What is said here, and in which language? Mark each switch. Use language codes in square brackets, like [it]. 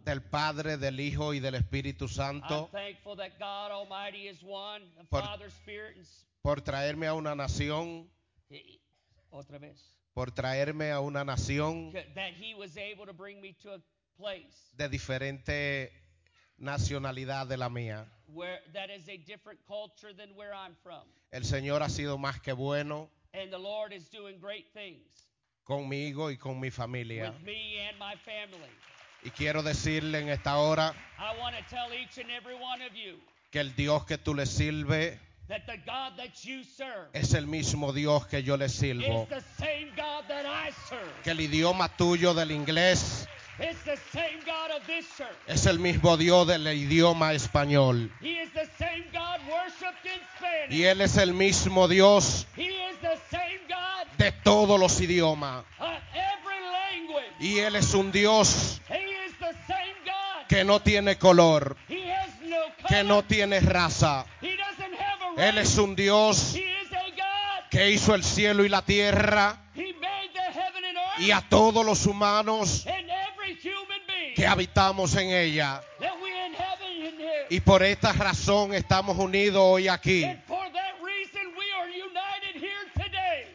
[es] Del Padre, del Hijo y del Espíritu Santo. [en] I'm thankful that God Almighty is one, Father, Spirit, and [es] por traerme a una nación. Otra vez. Por traerme a una nación. [en] That he was able to bring me to a place [es] de diferente nacionalidad de la mía. [en] Where that is a different culture than where I'm from. [es] El Señor ha sido más que bueno. [en] And the Lord is doing great things. [es] Conmigo y con mi familia. [en] With me and my family. [es] Y quiero decirle en esta hora. [en] I want to tell each and every one of you. [es] Que el Dios que tú le sirve. [en] That the God that you serve. [es] Es el mismo Dios que yo le sirvo. [en] Is the same God that I serve. [es] Que el idioma tuyo del inglés. [en] It's the same God of this church. [es] Es el mismo Dios del idioma español. [en] He is the same God worshipped in Spanish. [es] Y él es el mismo Dios. [en] He is the same God. [es] De todos los idiomas. [en] Every language. [es] Y él es un Dios. [en] He is the same God. [es] Que no tiene color. [en] He has no color. [es] Que no tiene raza. [en] He doesn't have a race. [es] Él es un Dios. [en] He is a God. [es] Que hizo el cielo y la tierra. [en] He made the heaven and earth. [es] Y a todos los humanos. Que habitamos en ella. [en] That we inhabit in here. [es] Y por esta razón estamos unidos hoy aquí. [en] And for that reason we are united here today.